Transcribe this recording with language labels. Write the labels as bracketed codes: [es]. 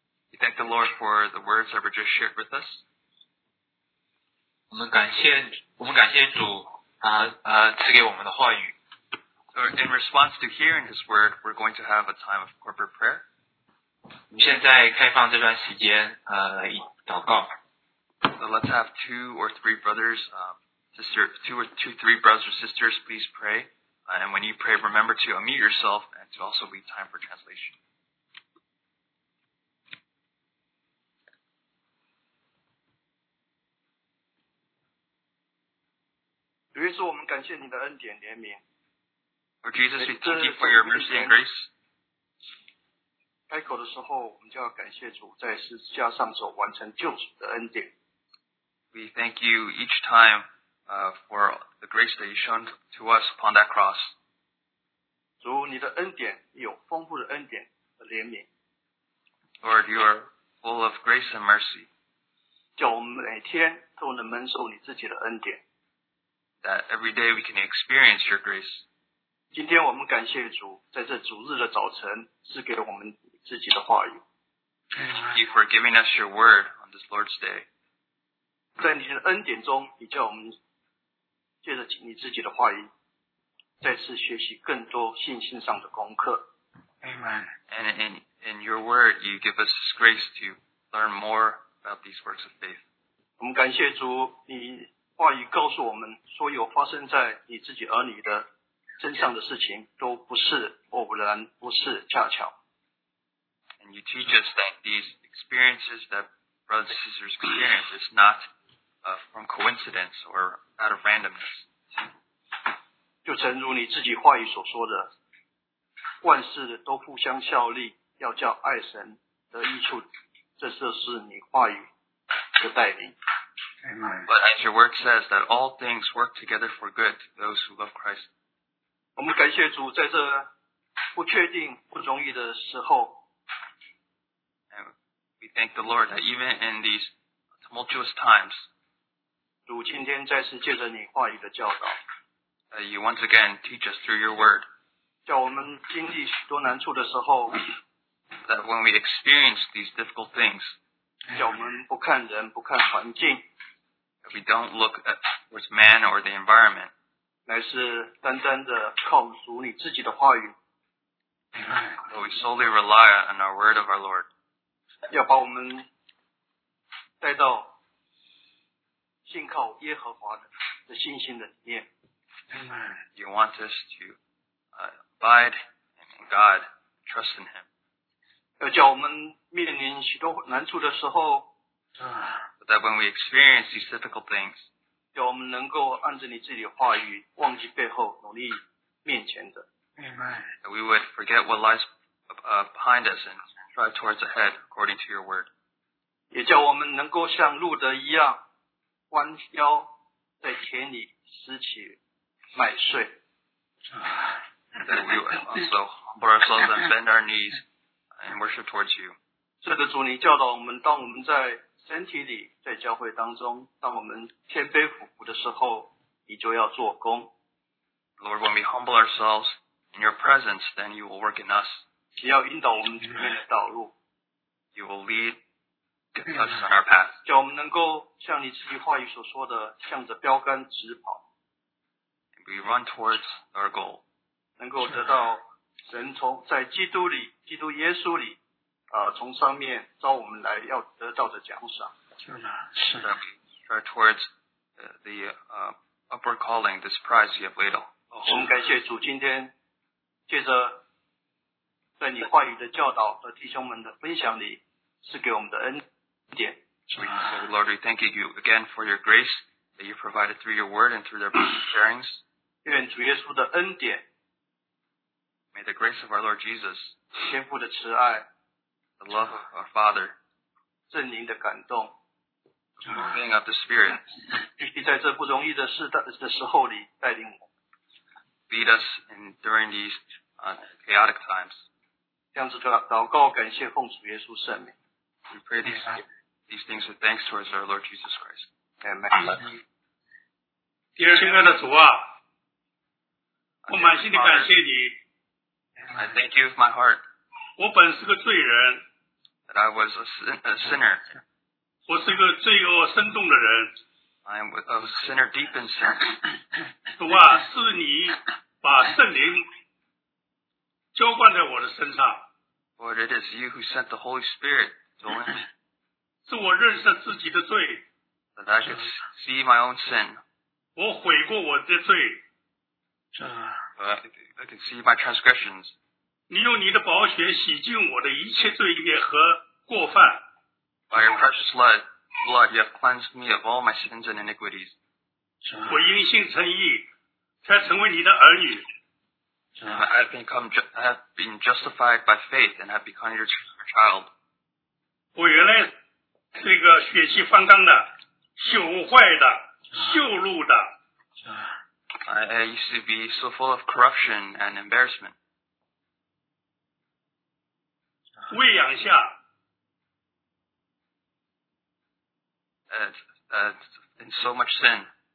[en] We thank the Lord for the words that were just shared with us. [zh] 我们感谢主，赐给我们的话语。 [en] So in response to hearing His word, we're going to have a time of corporate prayer. [zh] 我们现在开放这段时间，来祷告。 [en] So let's have two or three brothers or sisters, please pray. And when you pray, remember to unmute yourself and to also leave time for translation. [zh] 主耶稣，我们感谢你的恩典怜悯。 [en] Lord Jesus, we thank you for your mercy and grace. [zh] 开口的时候，我们就要感谢主在十字架上所完成救赎的恩典。 [en] We thank you each time, for the grace that you shown to us upon that cross. [zh] 主，你的恩典有丰富的恩典和怜悯。 [en] Lord, you are full of grace and mercy. [zh] 叫我们每天都能蒙受你自己的恩典。 [en] That every day we can experience your grace. [zh] 今天我们感谢主，在这主日的早晨赐给我们自己的话语。 [en] Thank you for giving us your word on this Lord's Day. [zh] 在你的恩典中，你叫我们借着你自己的话语，再次学习更多信心上的功课。 [en] Amen. And in your word, you give us grace to learn more about these works of faith. [zh] 我们感谢主，你话语告诉我们，所有发生在你自己儿女的身上的事情，都不是偶然，不是恰巧。 [en] And you teach us that these experiences that brothers and sisters experience is not from coincidence or out of randomness. [zh] 就诚如你自己话语所说的，万事都互相效力，要叫爱神得益处，这就是你话语的带领。 [en] Amen. But as your word says, that all things work together for good to those who love Christ. [zh] 我们感谢主，在这不确定、不容易的时候。 [en] And we thank the Lord that even in these tumultuous times, [zh] 主今天再次借着你话语的教导， [en] that you once again teach us through your word. [zh] 叫我们经历许多难处的时候， [en] that when we experience these difficult things, [zh] 叫我们不看人、不看环境。 [en] We don't look at towards man or the environment. [zh] 乃是单单的靠主你自己的话语。 [en] But we solely rely on our word of our Lord. [zh] 要把我们带到信靠耶和华的信心的里面。 [en] You want us to abide in God, trust in Him. [zh] 要叫我们面临许多难处的时候。 [en] That when we experience these difficult things, [zh] 叫我们能够按着你自己的话语，忘记背后，努力面前的。 [en] Amen. That we would forget what lies behind us and strive towards ahead according to your word. [zh] 也叫我们能够像路德一样，弯腰在田里拾起麦穗。 [en] That we would also humble ourselves and bend our knees and worship towards you. [zh] 这个主你教导我们，当我们在身体里在教会当中，当我们谦卑俯伏的时候，你就要做工。 [en] Lord, when we humble ourselves in your presence, then you will work in us. [zh] 你要引导我们前面的道路。 [en] You will lead us on our path. [zh] 叫我们能够像你自己话语所说的，向着标杆直跑。 [en] We run towards our goal. [zh] 能够得到神从在基督里，基督耶稣里。从上面招我们来要得到的奖赏。是的，是的。 [en] Try towards the upper calling, this prize you have laid on. [zh] 我们感谢主今天借着在你话语的教导和弟兄们的分享里赐给我们的恩典。 [en] So, Lord, we thank you again for your grace that you provided through your word and through their sharings. [zh] 愿主耶稣的恩典。 [en] May the grace of our Lord Jesus. [zh] 天父的慈爱。 [en] The love of our Father. [zh] 圣灵的感动。 [en] The moving of the Spirit. [zh] 必须在这不容易的事的时候里带领我。 [en] Lead us in during these chaotic times. [zh] 这样子祷告感谢奉主耶稣圣名。 [en] We pray these things with thanks towards our Lord Jesus Christ. Amen. [zh] 第二亲爱的主啊，我满心地感谢你。 [en] I thank you with my heart. [zh] 我本是个罪人。 [en] That I was a sinner. [zh] 我是个罪恶深重的人。 [en] I am a sinner deep in sin. [zh] 主啊，是你把圣灵浇灌在我的身上。 [en] Lord, it is you who sent the Holy Spirit to me. [zh] 是我认识自己的罪。 [en] That I could see my own sin. [zh] 我悔过我的罪。 [en] I could see my transgressions. [zh] 你用你的宝血洗净我的一切罪孽和过犯。 [en] By your precious blood, you have cleansed me of all my sins and iniquities. [zh] 我因信称义，才成为你的儿女。 [en] I have been justified by faith and have become your child. [zh] 我原来是一个血气方刚的、朽坏的、羞辱的。 [en] I used to be so full of corruption and embarrassment. [zh] 喂养下。 [en] In so much sin.